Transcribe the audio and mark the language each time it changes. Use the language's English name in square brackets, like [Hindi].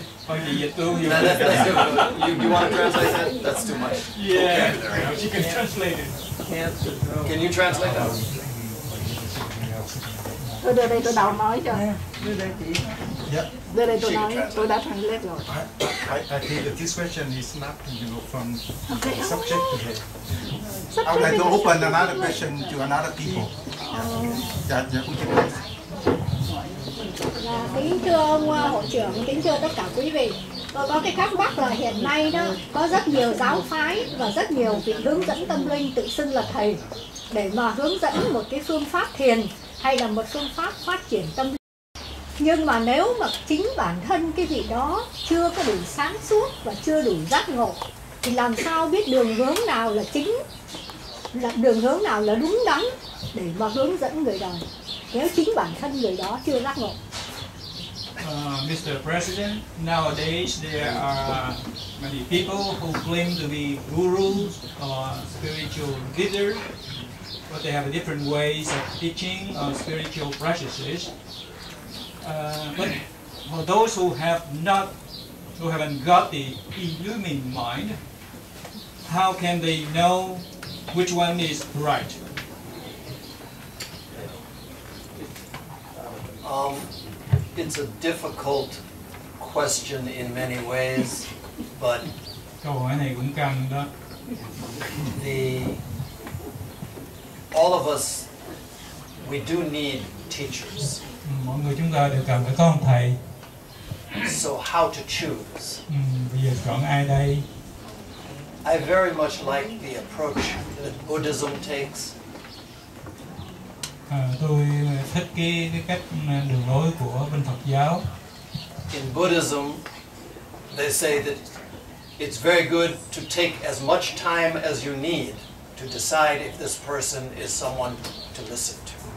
[English] You want to translate that? That's too much. Yeah, okay. She can translate it. Can you translate that? [Vietnamese] Tôi đưa đây tôi đào nói cho. Đưa đây chị. [English] Yeah. [Vietnamese] Đưa đây tôi nói, tôi đã translate rồi. [English] I think that this question is not, you know, from okay. The subject today. I would like to open another question to another people. Yeah, would you please? [Vietnamese] Kính thưa ông hội trưởng, kính thưa tất cả quý vị, tôi có cái thắc mắc là hiện nay đó có rất nhiều giáo phái và rất nhiều vị hướng dẫn tâm linh tự xưng là thầy để mà hướng dẫn một cái phương pháp thiền hay là một phương pháp phát triển tâm linh. Nhưng mà nếu mà chính bản thân cái vị đó chưa có đủ sáng suốt và chưa đủ giác ngộ thì làm sao biết đường hướng nào là chính, là đường hướng nào là đúng đắn để mà hướng dẫn người đời nếu chính bản thân người đó chưa giác ngộ? [English] Mr. President, nowadays there are many people who claim to be gurus or spiritual leaders, but they have different ways of teaching or spiritual practices. But for those who haven't got the illumined mind, how can they know which one is right? It's a difficult question in many ways, but all of us, we do need teachers. [Vietnamese] Mọi người chúng ta đều cần phải có ông thầy. [English] So how to choose? [Vietnamese] Bây giờ chọn ai đây? [English] I very much like the approach that Buddhism takes. [Vietnamese] Tôi thích cái cách đường lối của bên Phật giáo. [English] In Buddhism, they say that it's very good to take as much time as you need to decide if this person is someone to listen to.